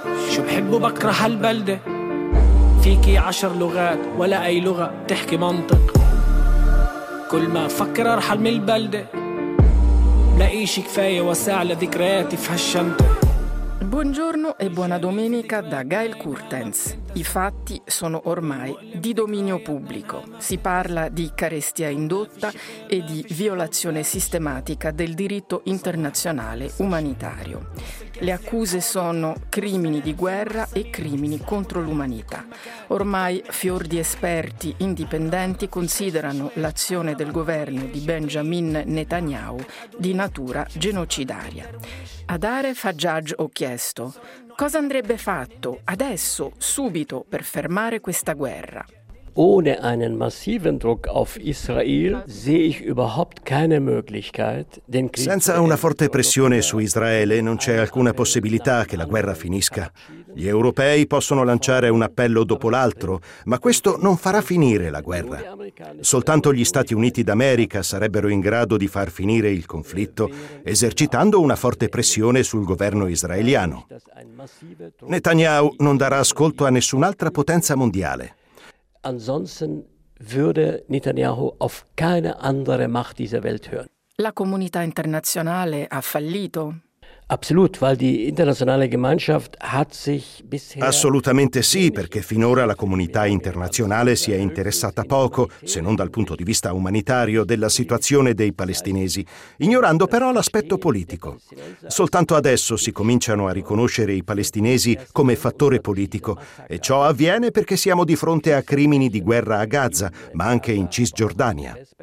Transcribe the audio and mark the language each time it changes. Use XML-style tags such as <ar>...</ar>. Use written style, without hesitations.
<ar>شو بحب وبكره هالبلدة فيكي عشر لغات ولا أي لغة تحكي منطق كل ما فكر أرحل من البلدة بلاقيش كفاية وساع لذكرياتي في هالشنطة.</ar> <it>Buongiorno e buona domenica da Gael Curtens. I fatti sono ormai di dominio pubblico. Si parla di carestia indotta e di violazione sistematica del diritto internazionale umanitario. Le accuse sono crimini di guerra e crimini contro l'umanità. Ormai fior di esperti indipendenti considerano l'azione del governo di Benjamin Netanyahu di natura genocidaria. Ad Aref Hajjaj ho chiesto: cosa andrebbe fatto adesso, subito, per fermare questa guerra?</it> <de>Ohne einen massiven Druck auf Israel sehe ich überhaupt keine Möglichkeit, den Krieg.</de> <it>Senza una forte pressione su Israele non c'è alcuna possibilità che la guerra finisca. Gli europei possono lanciare un appello dopo l'altro, ma questo non farà finire la guerra. Soltanto gli Stati Uniti d'America sarebbero in grado di far finire il conflitto esercitando una forte pressione sul governo israeliano. Netanyahu non darà ascolto a nessun'altra potenza mondiale.</it> <de>Ansonsten würde Netanyahu auf keine andere Macht dieser Welt hören.</de> <it>La comunità internazionale ha fallito?</it> <de>Absolut, weil die internationale Gemeinschaft hat sich bisher.</de> <it>Assolutamente sì, perché finora la comunità internazionale si è interessata poco, se non dal punto di vista umanitario, della situazione dei palestinesi, ignorando però l'aspetto politico. Soltanto adesso si cominciano a riconoscere i palestinesi come fattore politico, e ciò avviene perché siamo di fronte a crimini di guerra a Gaza, ma anche in Cisgiordania.</it>